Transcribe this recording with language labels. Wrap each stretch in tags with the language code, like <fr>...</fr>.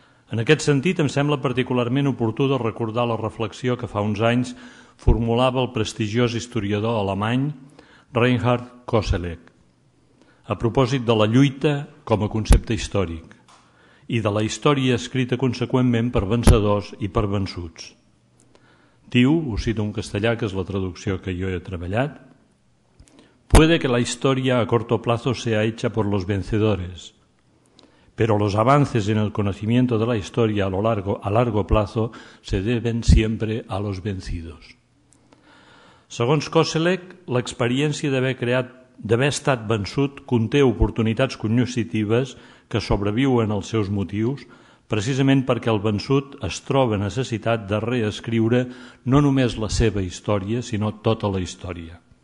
<ca>En aquest sentit, em sembla particularment oportú de recordar la reflexió que fa uns anys formulava el prestigiós historiador alemany Reinhard Koselleck a propòsit de la lluita com a concepte històric i de la història escrita conseqüentment per vencedors i per vençuts. Diu, ho cito en castellà, que és la traducció que jo he treballat,</ca> <es>«Puede que la historia a corto plazo sea hecha por los vencedores, pero los avances en el conocimiento de la historia a largo plazo se deben siempre a los vencidos».</es> <ca>Segons Koselleck, l'experiència d'haver estat vençut conté oportunitats cognoscitives que sobreviuen els seus motius, precisament perquè el vençut es troba necessitat de reescriure no només la seva història, sinó tota la història.</ca>